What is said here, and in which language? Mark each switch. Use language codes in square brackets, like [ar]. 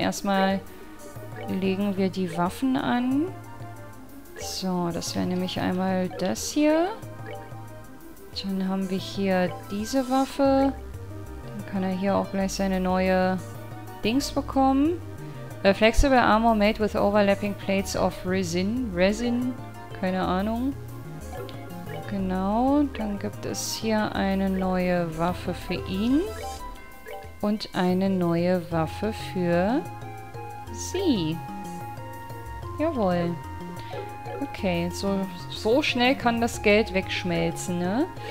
[de] Erstmal legen wir die Waffen an. So, das wäre nämlich einmal das hier. Dann haben wir hier diese Waffe. Dann kann er hier auch gleich seine neue Dings bekommen. [en] A flexible armor made with overlapping plates of resin. [de] Resin? Keine Ahnung. Genau, dann gibt es hier eine neue Waffe für ihn. Und eine neue Waffe für sie. Jawohl. Okay, so schnell kann das Geld wegschmelzen, ne?